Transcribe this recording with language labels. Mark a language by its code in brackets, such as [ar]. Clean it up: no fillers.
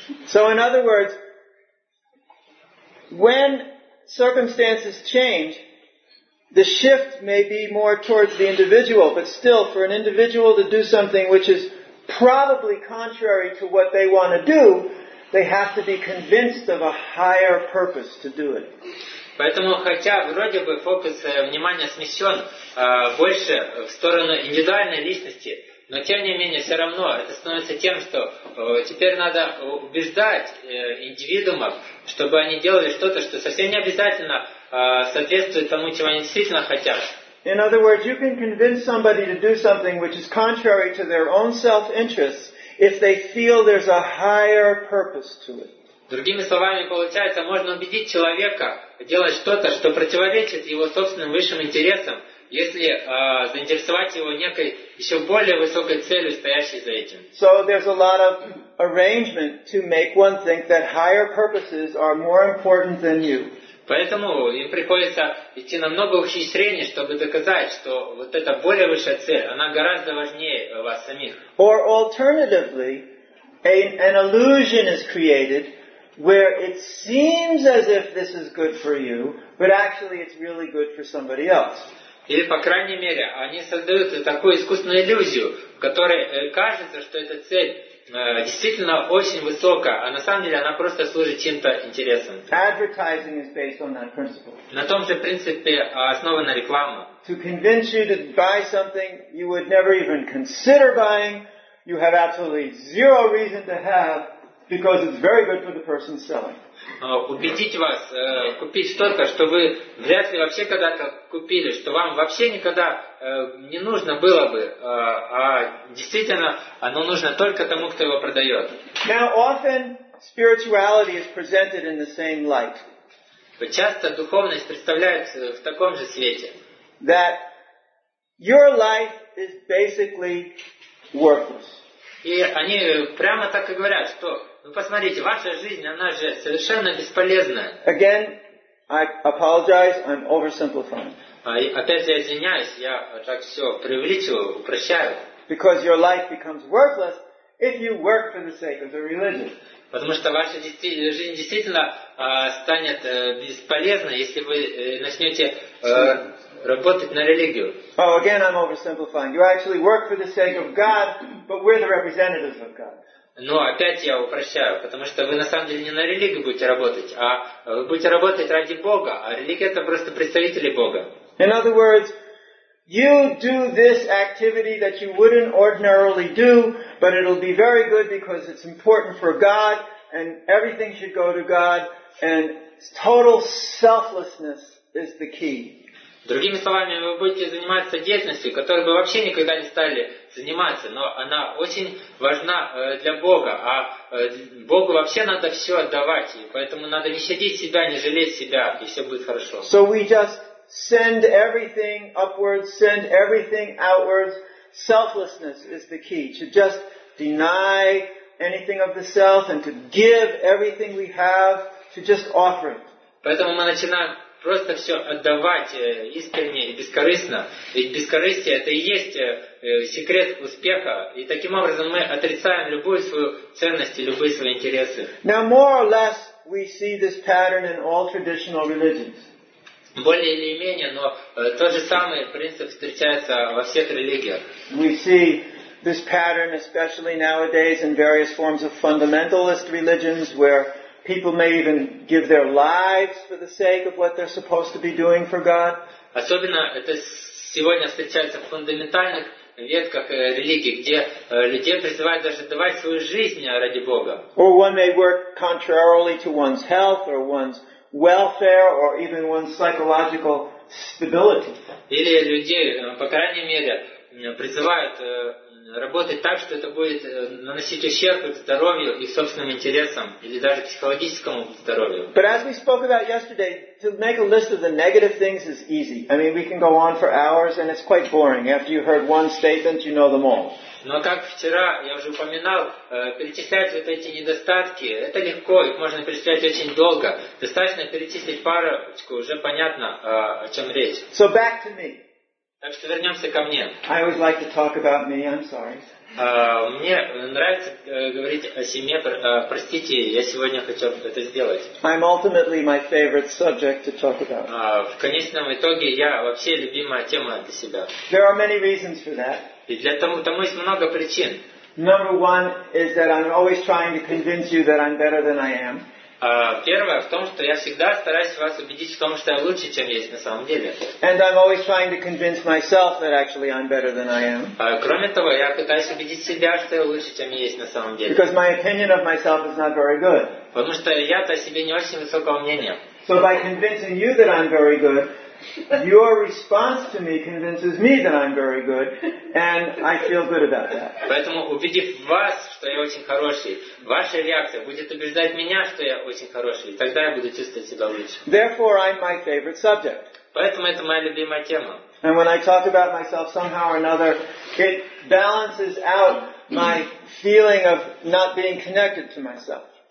[en] So in other words, when circumstances change, the shift may be more towards the individual, but still, for an individual to do something which is probably contrary to what they want to do, they have to be convinced of a higher purpose to do it. [ru] Поэтому, хотя вроде бы фокус внимания смещен больше в сторону индивидуальной личности, но тем не менее, все равно, это становится тем, что теперь надо убеждать индивидуумов, чтобы они делали что-то, что совсем не обязательно соответствует тому, чего они действительно хотят. [en] In other words, you can convince somebody to do something which is contrary to their own self-interests if they feel there's a higher purpose to it. [ru] Другими словами, получается, можно убедить человека делать что-то, что противоречит его собственным высшим интересам, если заинтересовать его некой еще более высокой целью, стоящей за этим. [en] So there's a lot of arrangement to make one think that higher purposes are more important than you. [ru] Поэтому им приходится идти на много ухищрений, чтобы доказать, что вот эта более высшая цель, она гораздо важнее вас самих. [en] Or alternatively, an illusion is created where it seems as if this is good for you, but actually it's really good for somebody else. [ru] Или, по крайней мере, они создают такую искусственную иллюзию, в которой кажется, что эта цель действительно очень высокая, а на самом деле она просто служит чем-то интересным. [en] Advertising is based on that principle. [ru] На том же принципе основана реклама. [en] To convince you to buy something you would never even consider buying, you have absolutely zero reason to have, because it's very good for the person selling. [ru] Убедить вас купить что-то, что вы вряд ли вообще когда-то купили, что вам вообще никогда не нужно было бы, а действительно оно нужно только тому, кто его продает. [en] Now, often spirituality is presented in the same light. [ru] Часто духовность представляется в таком же свете. [en] That your life is basically worthless. [ru] И они прямо так и говорят, что ну посмотрите, ваша жизнь, она же совершенно бесполезная. [en] Again, I apologize, I'm oversimplifying. [ru] Опять же, извиняюсь, я так все преувеличиваю, упрощаю. [en] Because your life becomes worthless if you work for the sake of the religion. [ru] Потому что ваша жизнь действительно станет бесполезной, если вы начнете работать на религию. [en] Oh, again, I'm oversimplifying. You actually work for the sake of God, but we're the representatives of God. [ru] Но опять я упрощаю, потому что вы на самом деле не на религию будете работать, а вы будете работать ради Бога, а религия это просто представители Бога. [en] In other words, you do this activity that you wouldn't ordinarily do, but it'll be very good because it's important for God, and everything should go to God, and total selflessness is the key. [ru] Другими словами, вы будете заниматься деятельностью, которой бы вообще никогда не стали заниматься, но она очень важна для Бога, а Богу вообще надо все отдавать, и поэтому надо не щадить себя, не жалеть себя, и все будет хорошо. [en] So we just send everything upwards, send everything outwards. Selflessness is the key. To just deny anything of the self and to give everything we have, to just offer it. [ru] Поэтому мы начинаем просто все отдавать искренне и бескорыстно. Ведь бескорыстие — это и есть секрет успеха. И таким образом мы отрицаем любую свою ценность и любые свои интересы. [en] Now, more or less, we see this pattern in all traditional religions. [ru] Более или менее, но тот же самый принцип встречается во всех религиях. [en] We see this pattern, especially nowadays, in various forms of fundamentalist religions, where people may even give their lives for the sake of what they're supposed to be doing for God. [ru] Особенно это сегодня встречается в фундаментальных ветках религии, где людей призывают даже давать свою жизнь ради Бога. [en] Or one may work contrarily to one's health or one's welfare or even one's psychological stability. [ru] Или люди, по крайней мере, призывают работать так, что это будет наносить ущерб их здоровью, их собственным интересам или даже психологическому здоровью. [en] But as we spoke about yesterday, to make a list of the negative things is easy. I mean, we can go on for hours and it's quite boring. After you heard one statement, you know them all. [ru] Но как вчера я уже упоминал, перечислять вот эти недостатки, это легко, их можно перечислять очень долго. Достаточно перечислить парочку, уже понятно, о чем речь. [en] So back to me. [ru] Так что вернемся ко мне. [en] I always like to talk about me, I'm sorry. [ru] Мне нравится говорить о семье, простите, я сегодня хочу это сделать. [en] I'm ultimately my favorite subject to talk about. [ru] В конечном итоге я вообще любимая тема для себя. [en] There are many reasons for that. [ru] И для тому есть много причин. [en] Number one is that I'm always trying to convince you that I'm better than I am. [ru] Первое в том, что я всегда стараюсь вас убедить в том, что я лучше, чем есть на самом деле. [en] And I'm always trying to convince myself that actually I'm better than I am. [ru] Кроме того, я пытаюсь убедить себя, что я лучше, чем есть на самом деле. [en] Because my opinion of myself is not very good. [ru] Потому что я-то о себе не очень высокого мнения. [en] So by convincing you that I'm very good, your response to me convinces me that I'm very good, and I feel good about that. [ru] Поэтому, убедив вас, что я очень хороший, ваша реакция будет убеждать меня, что я очень хороший, и тогда я буду чувствовать себя лучше. [en] Therefore, I'm my favorite subject. [ru] Поэтому это моя любимая тема. [en] And when I talk about myself somehow or another, it balances out my feeling of not being connected to myself.